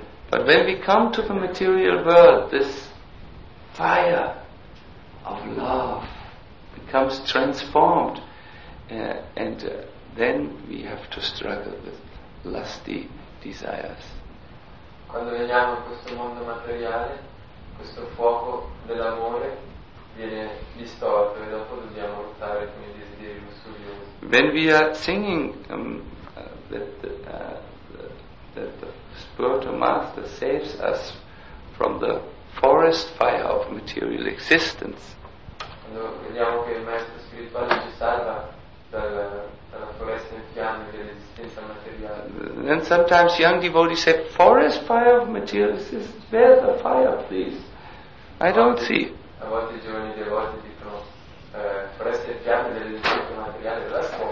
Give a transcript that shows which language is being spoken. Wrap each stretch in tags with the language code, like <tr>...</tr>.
<en>But when we come to the material world, this fire of love becomes transformed, and then we have to struggle with lusty desires.</en> <it>Quando veniamo in questo mondo materiale, questo fuoco dell'amore viene distorto e dopo dobbiamo lottare con i desideri lussuriosi.</it> <en>When we are singing that the spiritual master saves us from the forest fire of material existence,</en> <it>quando vediamo che il maestro spirituale ci salva dalla foresta in fiamme dell'esistenza materiale,</it> <en>then sometimes young devotees say, forest fire of material existence, where's the fire, please? I don't see.</en> <it>A volte i giovani devoti dicono foreste fiamme dell'esistenza materiale, la</it>